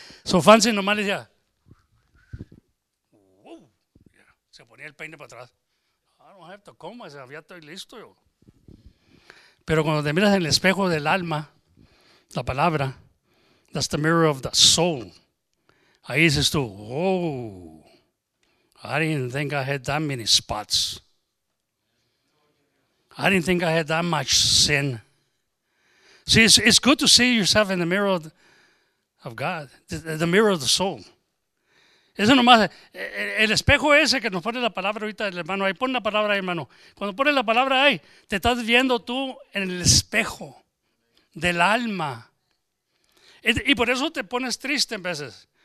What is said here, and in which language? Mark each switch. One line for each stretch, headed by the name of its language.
Spanish: So Fancy nomás le decía, el peine para atrás.
English: I don't have to come,
Spanish: ya estoy listo yo. Pero cuando te miras en el espejo del alma, la palabra,
English: that's the mirror of the soul.
Spanish: Ahí dices tú,
English: oh, I didn't think I had that many spots. I didn't think I had that much sin. See, it's good to see yourself in the mirror of God, the mirror of the soul.
Spanish: Eso nomás, el espejo ese que nos pone la palabra ahorita, el hermano, ahí pone la palabra ahí, hermano. Cuando pones la palabra ahí, te estás viendo tú en el espejo del alma. Y por eso te pones triste en veces.